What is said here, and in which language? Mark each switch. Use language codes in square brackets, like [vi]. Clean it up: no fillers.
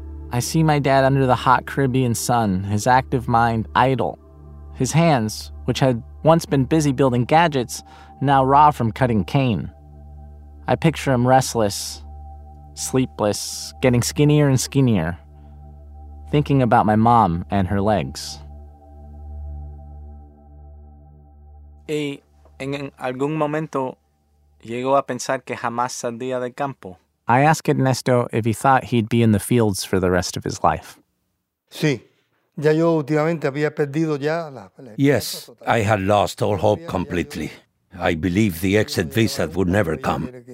[en] I see my dad under the hot Caribbean sun, his active mind idle, his hands, which had once been busy building gadgets, now raw from cutting cane. I picture him restless, sleepless, getting skinnier and skinnier, thinking about my mom and her legs. [es] Y en algún momento llegó a pensar que jamás saldría del campo. [en] I ask Ernesto if he thought he'd be in the fields for the rest of his life. [es] Sí. Ya yo últimamente había perdido ya la... [en] Yes, I had lost all hope completely. I believed the exit visa would never come.